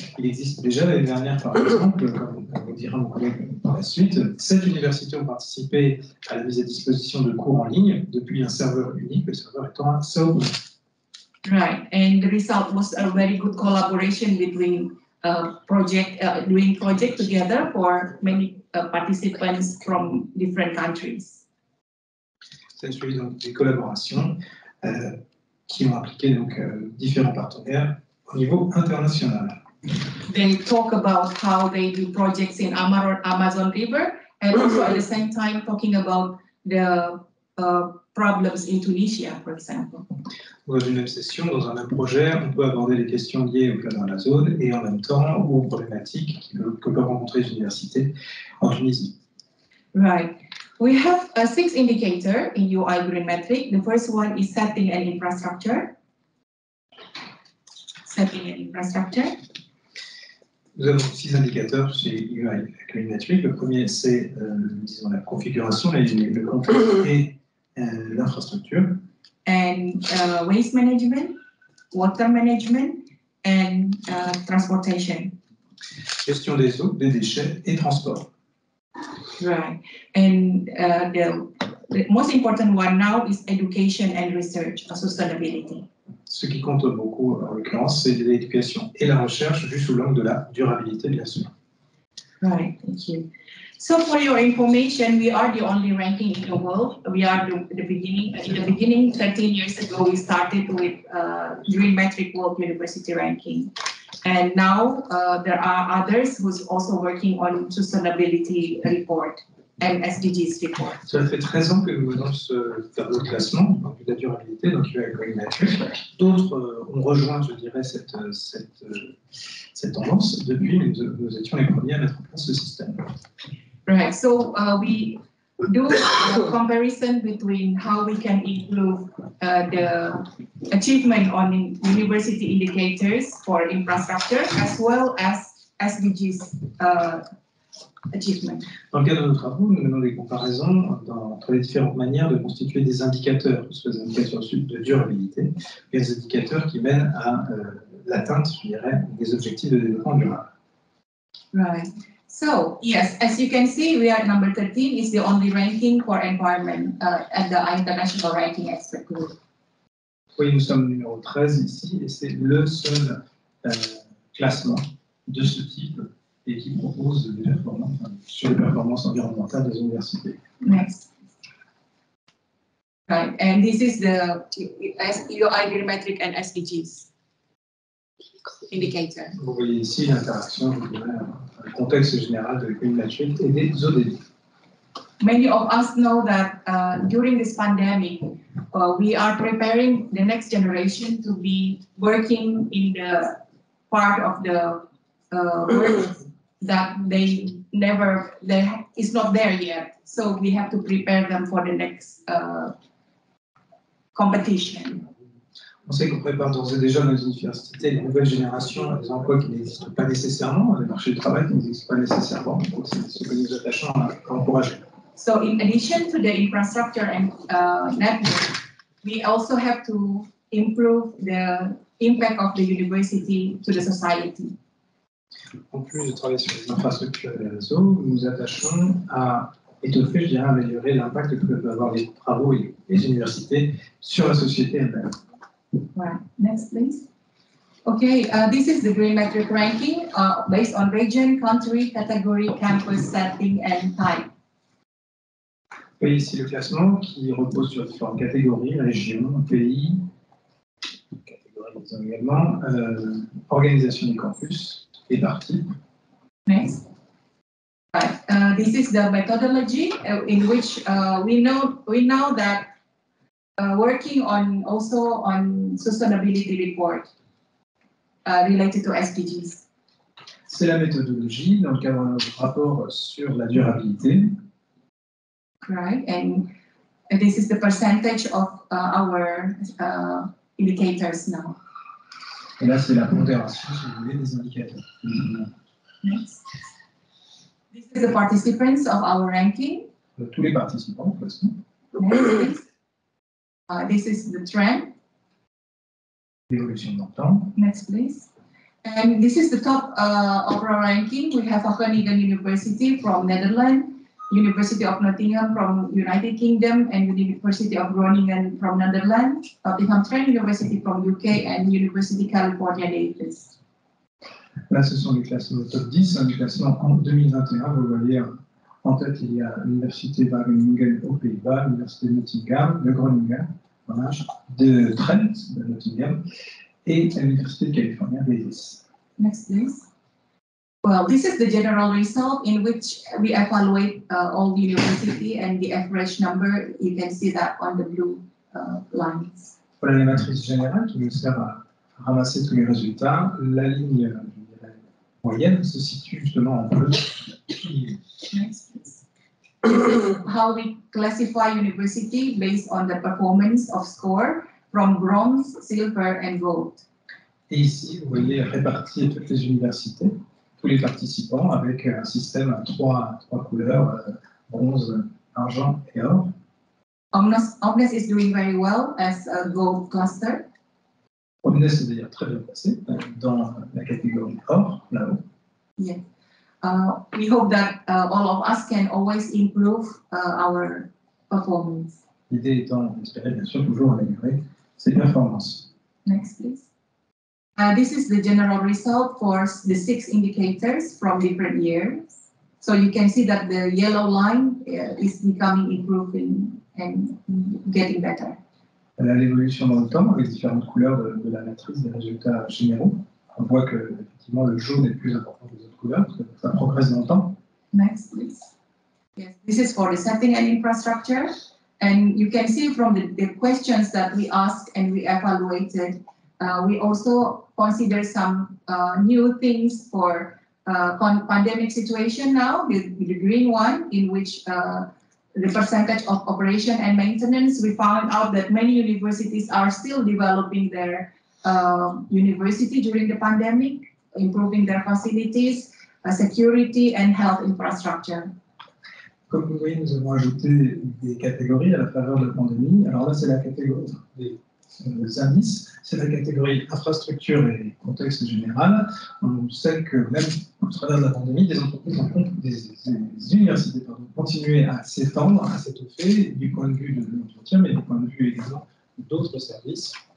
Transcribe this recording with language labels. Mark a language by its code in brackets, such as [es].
[fr] Il existe déjà l'année dernière, par exemple, comme vous dira mon collègue par la suite, 7 universités ont participé à la mise à disposition de cours en ligne depuis un serveur unique, le serveur étant à Sao Paulo. [en] Right, and the result was a very good collaboration between doing project together for many participants from different countries. [fr] C'est celui donc des collaborations qui ont impliqué donc différents partenaires au niveau international. [en] They talk about how they do projects in Amazon River and also at the same time talking about the problems in Tunisia, for example. [fr] Dans une même session, dans un même projet, on peut aborder les questions liées au cadre de la zone et en même temps aux problématiques que peut rencontrer une université en Tunisie. [en] Right. We have six indicators in UI Green Metric. The first one is setting an infrastructure. Setting an infrastructure. [fr] Nous avons six indicateurs chez UI Green Metric. Le premier, c'est disons, la configuration, le contexte et l'infrastructure. [en] And waste management, water management, and transportation. [fr] Gestion des eaux, des déchets et transport. [en] Right. And the most important one now is education and research, sustainability. [fr] Ce qui compte beaucoup en l'occurrence, c'est l'éducation et la recherche, vu sous l'angle de la durabilité, bien sûr. [en] Right, thank you. So for your information, we are the only ranking in the world. We are the beginning, 13 years ago, we started with Green Metric World University Ranking. And now there are others who's also working on sustainability report and SDGs report. [fr] Ça fait 13 ans que nous venons ce tableau de classement de la durabilité, donc il y a Green Metric. D'autres ont rejoint, je dirais, cette tendance depuis que nous étions les premiers à mettre en place ce système. [en] Right, so we do a comparison between how we can improve the achievement on university indicators for infrastructure as well as SDGs achievement. [fr] Dans le cadre de nos travaux, nous menons des comparaisons entre les différentes manières de constituer des indicateurs, que ce soit des indicateurs de durabilité, et des indicateurs qui mènent à l'atteinte, je dirais, des objectifs de développement durable. [en] Right. So, yes, as you can see, we are number 13, is the only ranking for environment at the International Ranking Expert Group. [fr] Oui, nous sommes numéro 13 ici, et c'est le seul classement de ce type et qui propose des performances sur les performances environnementales des universités. [en] Next. Right, and this is the UI Green Metric and SDGs indicator. [fr] Vous voyez ici l'interaction, je dirais, le contexte général de Green Metric et des ODD. [en] Many of us know that during this pandemic, we are preparing the next generation to be working in the part of the world that they is not there yet. So we have to prepare them for the next competition. [fr] On sait qu'on prépare d'ores et déjà nos universités, les nouvelles générations, les emplois qui n'existent pas nécessairement, les marchés du travail qui n'existent pas nécessairement. Donc, c'est ce que nous attachons à encourager. [en] So, in addition to the infrastructure and network, we also have to improve the impact of the university to the society. [fr] En plus de travailler sur les infrastructures et les réseaux, nous nous attachons à étoffer, je dirais, améliorer l'impact que peuvent avoir les travaux et les universités sur la société elle-même. [en] Right. Next, please. Okay, this is the Green Metric ranking based on region, country, category, campus, setting, and type. [fr] Oui, ici le classement qui repose sur différentes catégories, régions, pays, catégories également, organisation du campus et par type. [en] Next. Right. This is the methodology in which we know that working on also on sustainability report related to SDGs. [fr] C'est la méthodologie dans le cadre de notre rapport sur la durabilité. [en] Right, and this is the percentage of our indicators now. [fr] Et là, c'est la pondération, si vous voulez, des indicateurs. [en] Next. This is the participants of our ranking. [fr] Tous les participants, en fait. [en] This is the trend. [fr] L'évolution dans le temps. [en] Next, please. And this is the top overall ranking. We have Wageningen University from Netherlands, University of Nottingham from United Kingdom and University of Groningen from Netherlands, Nottingham Trent University from UK and University of California Davis. [fr] Là, ce sont les classements top 10, un classement en 2021. Vous voyez, en tête, il y a l'Université Wageningen aux Pays-Bas, l'Université de Nottingham, de Groningen, voilà, de Trent, de Nottingham, et l'Université de California Davis. [en] Next, please. Well, this is the general result in which we evaluate all the university and the average number. You can see that on the blue lines. [fr] Voilà les matrices générales qui nous servent à ramasser tous les résultats. La ligne moyenne se situe justement en bleu. [en] Next, please. How we classify university based on the performance of score from bronze, silver and gold. [fr] Et ici, vous voyez répartir toutes les universités. Tous les participants avec un système à trois couleurs, bronze, argent et or. [en] Omnes is doing very well as a gold cluster. [fr] Omnes est d'ailleurs très bien placé dans la catégorie or, là-haut. [en] Yeah. We hope that all of us can always improve our performance. [fr] L'idée étant d'espérer bien sûr toujours améliorer ses performances. [en] Next, please. This is the general result for the six indicators from different years. So you can see that the yellow line is becoming improving and getting better. [fr] Là, l'évolution dans le temps, les différentes couleurs de la matrice, des résultats généraux. On voit que effectivement le jaune est plus important que les autres couleurs, ça progresse dans le temps. [en] Next, please. Yes, this is for the setting and infrastructure. And you can see from the questions that we asked and we evaluated, we also consider some new things for pandemic situation now, with the green one, in which the percentage of operation and maintenance, we found out that many universities are still developing their university during the pandemic, improving their facilities, security and health infrastructure. [fr] Comme vous voyez, nous avons ajouté des catégories à la faveur de la pandémie. Alors là, c'est la catégorie des les indices, c'est la catégorie infrastructure et contexte général. On sait que même au travers de la pandémie, des entreprises, des universités, pardon, continuaient à s'étendre à cet effet du point de vue de l'entretien, mais du point de vue également d'autres services.